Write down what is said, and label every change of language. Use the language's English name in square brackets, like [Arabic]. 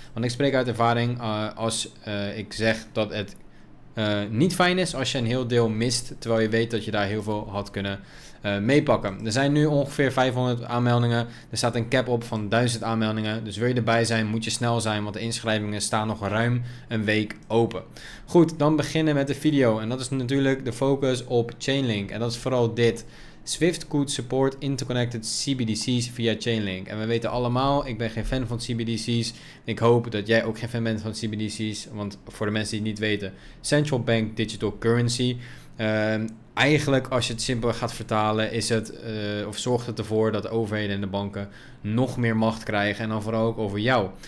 [Dutch] Want ik spreek uit ervaring ik zeg dat het niet fijn is als je een heel deel mist terwijl je weet dat je daar heel veel had kunnen meepakken. Er zijn nu ongeveer 500 aanmeldingen. Er staat een cap op van 1000 aanmeldingen. Dus wil je erbij zijn, moet je snel zijn, want de inschrijvingen staan nog ruim een week open. Goed, dan beginnen met de video. En dat is natuurlijk de focus op Chainlink. En dat is vooral dit. [English] Swift could support interconnected CBDC's via Chainlink. [Dutch] En we weten allemaal, ik ben geen fan van CBDC's. Ik hoop dat jij ook geen fan bent van CBDC's. Want voor de mensen die het niet weten, Central Bank Digital Currency. Eigenlijk, als je het simpel gaat vertalen, is het of zorgt het ervoor dat de overheden en de banken nog meer macht krijgen. En dan vooral ook over jou.